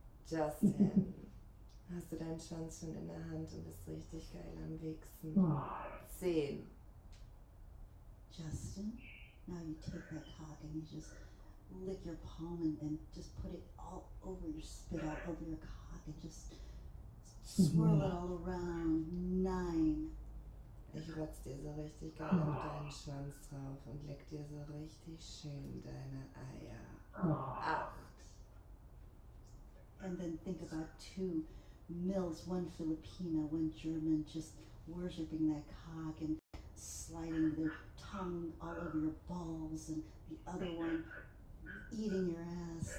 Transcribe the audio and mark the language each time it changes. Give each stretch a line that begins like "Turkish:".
German: Justin, hast du deinen Schwanz schon in der Hand und bist richtig geil am Wichsen? 10.
English: Justin, now you take that cock and you just lick your palm and then just put it all over your spit out over your cock and just swirl it all around. 9.
German: Ich rotz dir so richtig geil auf deinen Schwanz drauf und leck dir so richtig schön deine Eier. 8.
English: And then think about 2 mils, 1 Filipina, 1 German, just worshipping that cock and sliding their tongue all over your balls, and the other one eating your ass.